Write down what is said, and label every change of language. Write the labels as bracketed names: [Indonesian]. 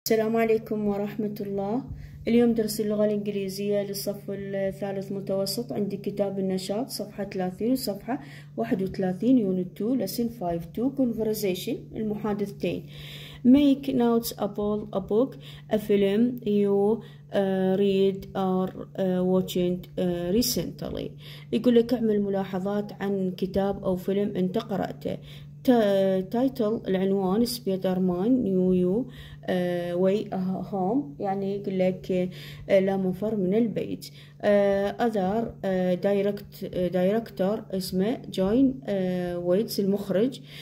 [Arabic] السلام عليكم ورحمة الله. اليوم درس اللغة الإنجليزية للصف الثالث متوسط، عندي كتاب النشاط صفحة 30 وصفحة 31، يونت 2 لسن 5 2 conversation المحادثتين. [English] make notes about a book, a film you read or watching recently. [Arabic] يقول لك اعمل ملاحظات عن كتاب أو فيلم أنت قرأته. تايتل العنوان سبايدر مان نيو يو واي هوم، يعني يقول لك لا مفر من البيت. اذر دايركتور اسمه جون ويتس المخرج.